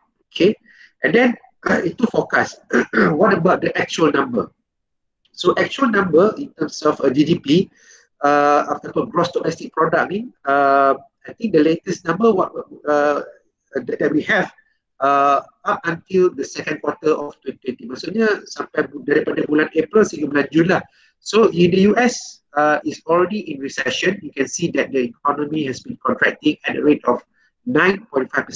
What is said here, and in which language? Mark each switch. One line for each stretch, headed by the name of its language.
English: Okay, and then itu forecast. What about the actual number? So actual number in terms of GDP, apa gross domestic product ni? I think the latest number that we have up until the second quarter of 2020.
Malay: Maksudnya sampai daripada bulan April sehingga bulan Jun lah.
English: So in the US is already in recession. You can see that the economy has been contracting at a rate of 9.5%.